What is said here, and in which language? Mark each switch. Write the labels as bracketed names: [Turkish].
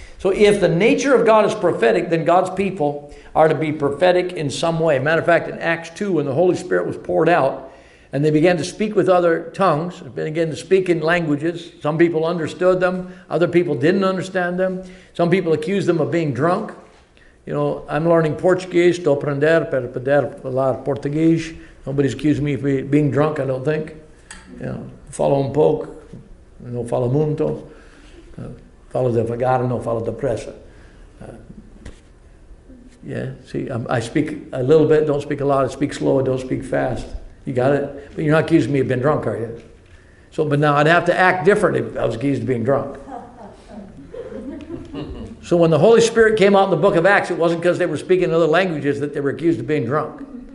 [English] So if the nature of God is prophetic, then God's people are to be prophetic in some way. Matter of fact, in Acts 2, when the Holy Spirit was poured out, and they began to speak with other tongues, began to speak in languages. Some people understood them. Other people didn't understand them. Some people accused them of being drunk. You know, I'm learning Portuguese. [Portuguese] Estou aprender para poder falar português. [English] Nobody's accusing me of being drunk, I don't think. You know, [Portuguese] falo pouco, não falo muito. Falo devagar, não falo depressa. [English] Yeah, see, I speak a little bit, don't speak a lot. I speak slow, don't speak fast. You got it? But you're not accusing me of being drunk, are you? So, but now I'd have to act different if I was accused of being drunk. So when the Holy Spirit came out in the book of Acts, it wasn't because they were speaking other languages that they were accused of being drunk.